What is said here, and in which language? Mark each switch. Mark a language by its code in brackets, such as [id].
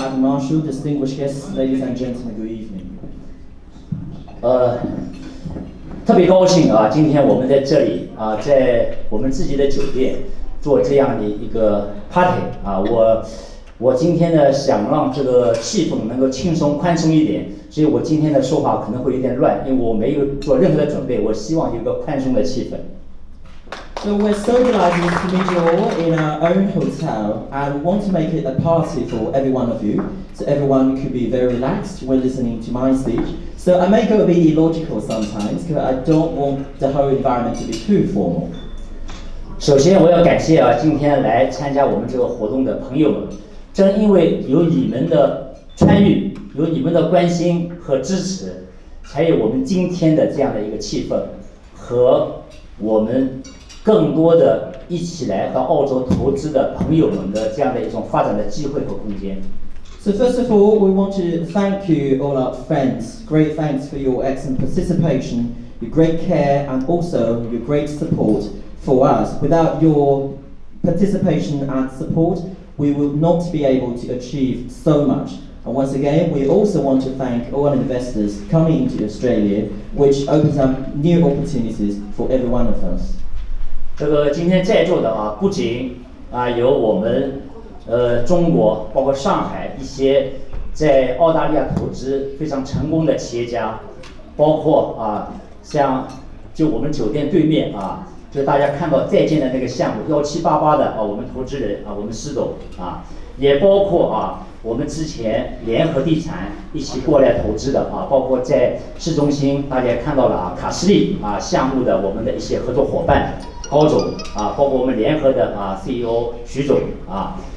[en] Adam Marshall, distinguished guests, ladies and gentlemen, good evening. [zh] 特别高兴啊，今天我们在这里啊，在我们自己的酒店做这样的一个 party啊，我。我今天呢，想让这个气氛能够轻松宽松一点，所以我今天的说话可能会有点乱，因为我没有做任何的准备。我希望有个宽松的气氛。 [en] So we're so delighted to meet you all in our own hotel and want to make it a party for every one of you, so everyone could be very relaxed when listening to my speech. So I may go a bit illogical sometimes because I don't want the whole environment to be too formal. [zh] 首先我要感谢啊，今天来参加我们这个活动的朋友们，正因为有你们的参与，有你们的关心和支持，才有我们今天的这样的一个气氛，和我们更多的一起来和澳洲投资的朋友们的这样的一种发展的机会和空间。 [en] So first of all, we want to thank you all our friends, great thanks for your excellent participation, your great care, and also your great support for us. Without your participation and support, we would not be able to achieve so much. And once again, we also want to thank all our investors coming into Australia, which opens up new opportunities for every one of us. [zh] 这个今天在座的啊，不仅啊有我们中国，包括上海一些在澳大利亚投资非常成功的企业家，包括啊像就我们酒店对面啊，就大家看到在建的那个项目1788的啊，我们投资人啊，我们施董啊，也包括啊我们之前联合地产一起过来投资的啊，包括在市中心大家看到了啊卡斯利啊项目的我们的一些合作伙伴高总啊，包括我们联合的啊 CEO 徐总啊。